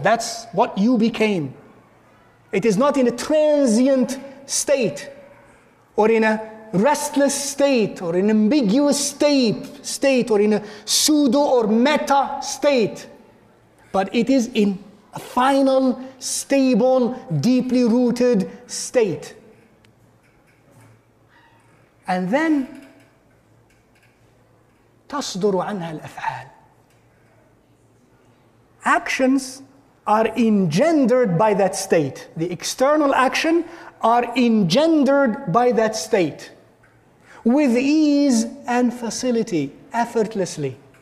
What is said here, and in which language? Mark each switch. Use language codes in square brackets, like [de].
[en] That's what you became. It is not in a transient state or in a restless state or in an ambiguous state or in a pseudo or meta state. But it is in a final, stable, deeply rooted state. [ar] And then تصدر عنها الأفعال. [en] Actions are engendered by that state. The external action are engendered by that state with ease and facility, effortlessly.